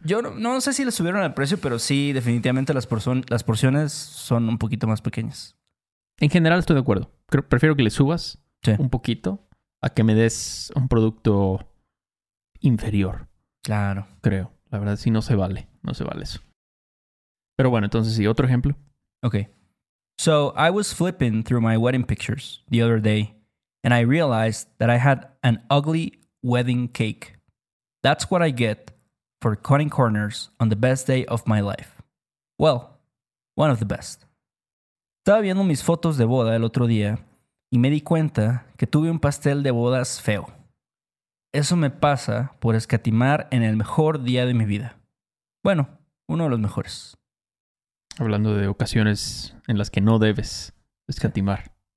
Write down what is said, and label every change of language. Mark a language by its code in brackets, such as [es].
[es] Yo no sé si le subieron el precio, pero sí, definitivamente las porciones son un poquito más pequeñas. En general estoy de acuerdo. Prefiero que le subas un poquito a que me des un producto inferior. Claro. Creo. La verdad, sí, no se vale. No se vale eso. Pero bueno, entonces sí, otro ejemplo. [en] Ok. So, I was flipping through my wedding pictures the other day and I realized that I had an ugly wedding cake. That's what I get for cutting corners on the best day of my life. Well, one of the best. [es] Estaba viendo mis fotos de boda el otro día y me di cuenta que tuve un pastel de bodas feo. Eso me pasa por escatimar en el mejor día de mi vida. Bueno, uno de los mejores. Hablando de ocasiones en las que no debes escatimar.